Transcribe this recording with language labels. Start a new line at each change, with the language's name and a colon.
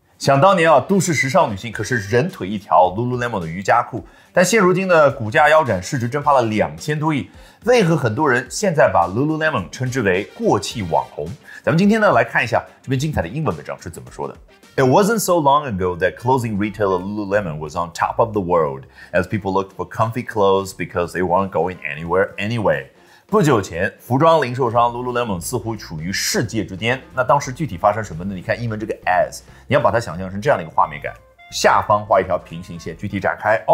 Chinese: 想当年啊，都市时尚女性可是人腿一条 Lululemon 的瑜伽裤，但现如今的股价腰斩，市值蒸发了2000多亿。为何很多人现在把 Lululemon 称之为过气网红？咱们今天呢，来看一下这篇精彩的英文文章是怎么说的。
English: It wasn't so long ago that clothing retailer Lululemon was on top of the world as people looked for comfy clothes because they weren't going anywhere anyway.
Chinese: 不久前，服装零售商 Lululemon 似乎处于世界之巅。那当时具体发生什么呢？你看英文这个 as， 你要把它想象成这样的一个画面感，下方画一条平行线，具体展开。